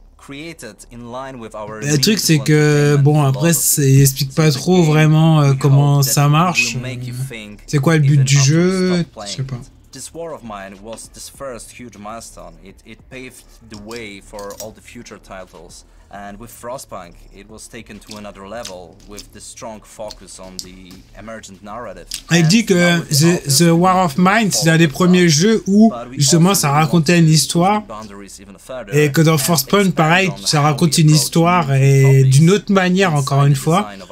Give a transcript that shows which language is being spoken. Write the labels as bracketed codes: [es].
[fr] Le truc, c'est que, bon, après, il explique pas trop vraiment comment ça marche. C'est quoi le but du jeu? Je sais pas. [en] This war of mine was this first huge milestone. It paved the way for all the future titles. And with Frostpunk, it was taken to another level with the strong focus on the emergent narrative. [fr] Il dit que the War of Mine, c'est un des premiers jeux où justement ça racontait une histoire, et que dans Frostpunk, pareil, ça raconte une histoire et d'une autre manière encore une fois.